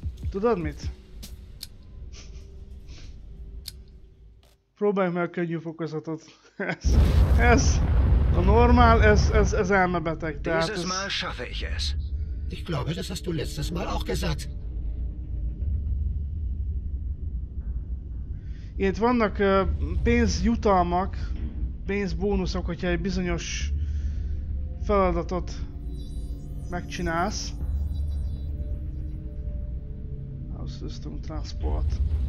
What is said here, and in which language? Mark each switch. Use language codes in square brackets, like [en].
[hu] tudod mit? Próbálj meg a könnyű fokozatot. Ez... A normál, ez elmebeteg, tehát... [de] Dieses Mal schaffe ich es. Ich glaube, das hast du letztes Mal auch gesagt. [hu] Itt vannak pénzjutalmak, pénzbónuszok, hogyha egy bizonyos feladatot megcsinálsz. [en] House System Transport.